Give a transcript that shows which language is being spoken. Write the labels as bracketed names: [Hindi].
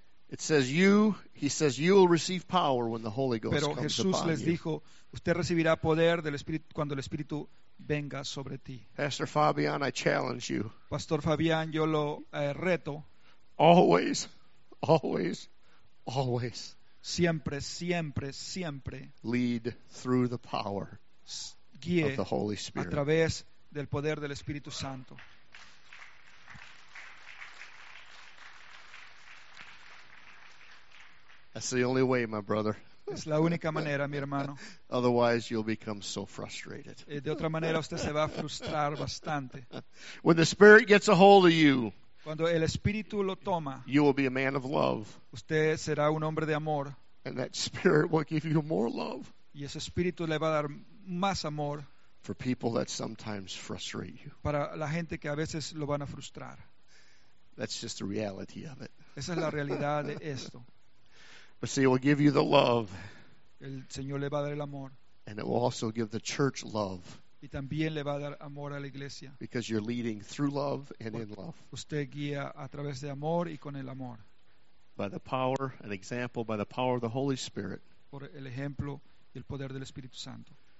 [English] It says you, he says, you will receive power when the Holy Ghost [Spanish] pero [English] comes [Spanish] Jesús [English] upon [Spanish] les [English] you. [Spanish] Dijo, usted recibirá poder del Espíritu cuando el Espíritu venga sobre ti. [English] Pastor Fabian, I challenge you. [Spanish] Pastor Fabian, yo lo reto. [English] Always, always, always. [Spanish] Siempre, siempre, siempre. [English] Lead through the power. [Spanish] Guíe [English] of the Holy Spirit. [Spanish] A través del poder del Espíritu Santo. [English] That's the only way, my brother. [Spanish] Es la única manera, mi hermano. [English] Otherwise, you'll become so frustrated. [Spanish] De otra manera, usted se va a frustrar bastante. [English] When the Spirit gets a hold of you, [Spanish] cuando el Espíritu lo toma, [English] you will be a man of love. [Spanish] Usted será un hombre de amor. [English] And that Spirit will give you more love. [Spanish] Y ese Espíritu le va a dar más amor [English] for people that sometimes frustrate you. [Spanish] Para la gente que a veces lo van a frustrar. [English] That's just the reality of it. [Spanish] Esa es la realidad de esto. [English] But see, it will give you the love. [Spanish] El Señor le va a dar el amor. [English] And it will also give the church love. [Spanish] Y también le va a dar amor a la iglesia. [English] Because you're leading through love and in love. [Spanish] Usted guía a través de amor y con el amor. [English] By the power, an example, by the power of the Holy Spirit. [Spanish] Por el ejemplo y el poder del Espíritu Santo.